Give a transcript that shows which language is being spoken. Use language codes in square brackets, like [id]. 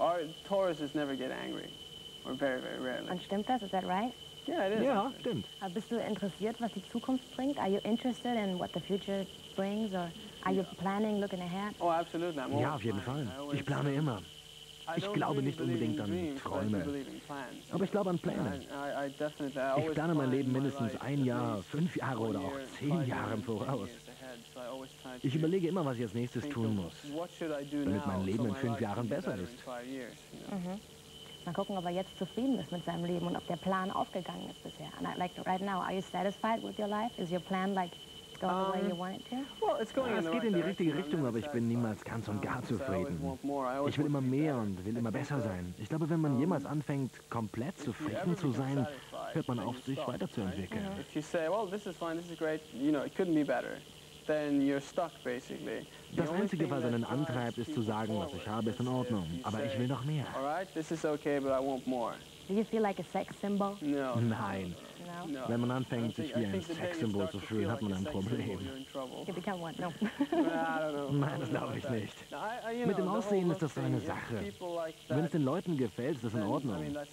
[en] Our Tauruses never get angry, or very, very rarely. [de] Und stimmt das? [en] Is that right? Yeah, it is. [de] Yeah, stimmt. Bist du interessiert, was die Zukunft bringt? [en] Are you interested in what the future brings, or are you planning, looking ahead? Oh, absolutely. [de] Ja, auf jeden Fall. Ich plane immer. Ich glaube nicht unbedingt an Träume, aber ich glaube an Pläne. Ich plane mein Leben mindestens ein Jahr, fünf Jahre oder auch 10 Jahre im Voraus. Ich überlege immer, was ich als nächstes tun muss, damit mein Leben in 5 Jahren besser ist. Mhm. Mal gucken, ob er jetzt zufrieden ist mit seinem Leben und ob der Plan aufgegangen ist bisher. [en] And I, like right now, are you satisfied with your life? Is your plan like going the way you want it to? Well, it's going [de] es geht in die richtige Richtung, aber ich bin niemals ganz und gar zufrieden. Ich will immer mehr und will immer besser sein. Ich glaube, wenn man jemals anfängt, komplett zufrieden zu sein, hört man auf, sich weiterzuentwickeln. [en] If you say, well, this is fine, this is great, you know, it couldn't be better. Then you're stuck, basically. [de] Das Einzige, was einen antreibt, ist zu sagen, was ich habe, ist in Ordnung, aber ich will noch mehr. [en] All right, this is okay, but I want more. Do you feel like a sex symbol? No. [de] Nein. [en] No. [de] Wenn man anfängt, sich wie ein Sexsymbol zu fühlen, hat man ein Problem. [en] You become one. No. [de] Nein, das glaube ich nicht. Mit dem Aussehen ist das so eine Sache. Wenn es den Leuten gefällt, ist das in Ordnung.